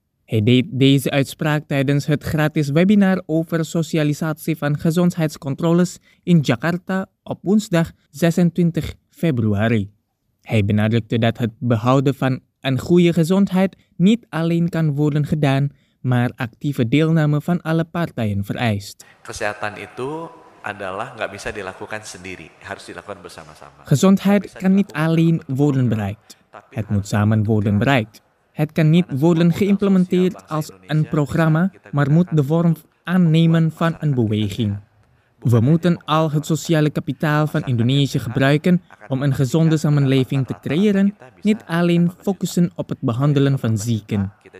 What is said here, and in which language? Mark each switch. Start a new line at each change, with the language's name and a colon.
Dutch: Hij deed deze uitspraak tijdens het gratis webinar over socialisatie van gezondheidscontroles in Jakarta op woensdag 26 februari. Hij benadrukte dat het behouden van een goede gezondheid niet alleen kan worden gedaan, maar actieve deelname van alle partijen vereist.
Indonesian: Kesehatan itu adalah nggak bisa dilakukan sendiri, harus dilakukan bersama-sama.
Dutch: Gezondheid kan niet alleen worden bereikt. Het moet samen worden bereikt. Het kan niet worden geïmplementeerd als een programma, maar moet de vorm aannemen van een beweging. We moeten al het sociale kapitaal van Indonesië gebruiken om een gezonde samenleving te creëren, niet alleen focussen op het behandelen van zieken.